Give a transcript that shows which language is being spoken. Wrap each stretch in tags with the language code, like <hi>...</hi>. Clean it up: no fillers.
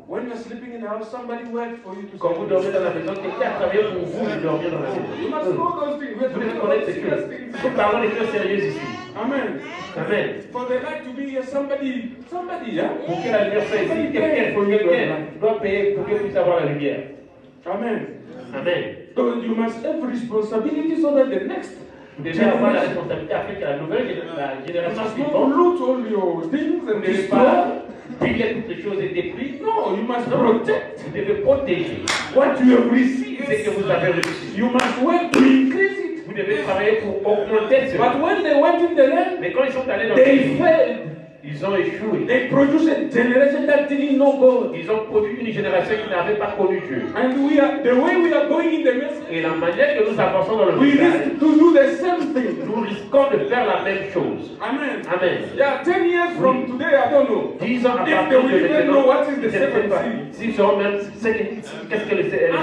<en>When you're sleeping in the house, somebody worked for you to sleep.</en> <fr>Quand vous dormez dans la maison, quelqu'un a travaillé pour vous de dormir dans la maison.</fr> <en>You must know those things.</en> <fr>Vous devez connaître ces choses. Nous parlons des choses sérieuses ici.</fr> <en>Amen.</en> <fr>Amen.</fr> <en>For the light to be here, somebody, yeah.</en> <fr>Pour que la lumière soit ici, quelqu'un doit payer pour que puisse avoir la lumière.</fr> <en>Amen.</en> <fr>Amen.</fr> <en>So you must have responsibility so that the next.</en> <fr>Vous devez avoir la responsabilité afin que la nouvelle génération</fr> <en>suivante. Don't loot all your things and destroy.</en> <fr>Bible, toutes les choses étaient prises. Non, you must protect. Vous devez protéger.</fr> <en>What you have received, yes, c'est que vous avez reçu. You must work to increase it.</en> <fr>Vous devez travailler pour augmenter ce.</fr> <en>But when they went in the land,</en> <fr>mais quand ils sont allés dans le pays, ils ont échoué.</fr> <en>They produced a generation that didn't know God.</en> <fr>Ils ont produit une génération qui n'avait pas connu Dieu.</fr> <en>And we are the way we are going in the message.</en> <fr>Et la manière que nous avançons dans le</fr> <en>message. We risk to do the same thing.</en> <fr>Nous risquons de faire la même chose.</fr> <en>Amen.</en> <fr>Amen.</fr> <en>Yeah, 10 years from today, I don't know.</en> <fr>10 ans après.</fr> <en>If they will even know what is the second thing.</en> <fr>Si ils sauront même qu'est-ce que le second</fr>